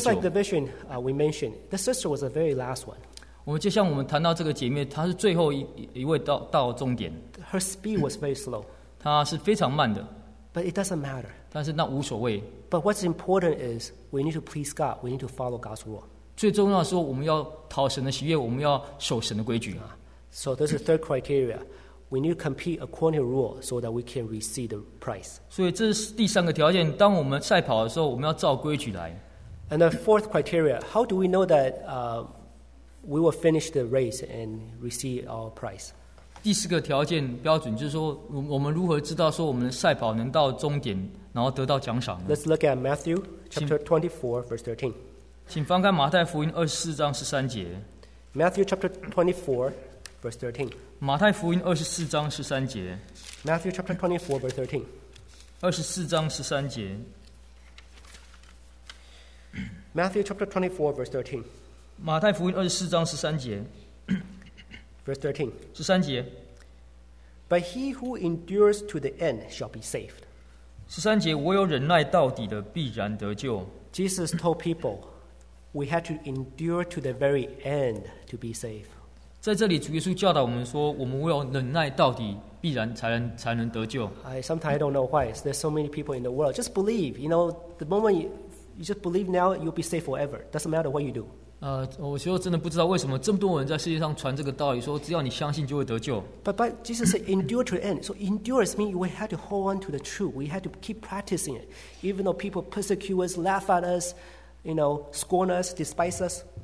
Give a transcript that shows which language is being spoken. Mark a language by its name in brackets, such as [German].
[English] Just like the vision we mentioned, the sister was the very last one. [Chinese] 我们就像我们谈到这个姐妹，她是最后一位到终点。 [English] Her speed was very slow. [Chinese] 她是非常慢的。 [English] But it doesn't matter. [Chinese] 但是那无所谓。 [English] But what's important is we need to please God. We need to follow God's rule. [Chinese] 最重要的是我们要讨神的喜悦，我们要守神的规矩。 [English] So this is the third criteria. We need to compete according to rule so that we can receive the prize. [Chinese] 所以这是第三个条件。当我们赛跑的时候，我们要照规矩来。 [English] And the fourth criteria. How do we know that we will finish the race and receive our prize? [Chinese] 第四个条件标准就是说，我们如何知道说我们的赛跑能到终点？然后得到奖赏。 [English] Let's look at Matthew chapter 24, verse 13. [Chinese] 请翻开马太福音24:13. [English] Matthew chapter 24, verse 13. [Chinese] 马太福音24:13. [English] Matthew chapter 24, verse 13. [Chinese] 24:13. [English] Matthew chapter 24, verse 13. [Chinese] 马太福音24:13. [English] Verse 13. [Chinese] 13. [English] But he who endures to the end shall be saved. [Chinese] 13节，我有忍耐到底的，必然得救。 [English] Jesus told people, we had to endure to the very end to be saved. [Chinese] 在这里，主耶稣教导我们说，我们唯有忍耐到底，必然才能得救。 [English] Sometimes I don't know why there's so many people in the world. Just believe. You know, the moment you just believe now, you'll be saved forever. Doesn't matter what you do. [Chinese] 我其实真的不知道为什么这么多人在世界上传这个道理，说只要你相信就会得救。 [English] But Jesus said endure to the end. So endurance means we had to hold on to the truth. We had to keep practicing it, even though people persecute us, laugh at us, you know, scorn us, despise us.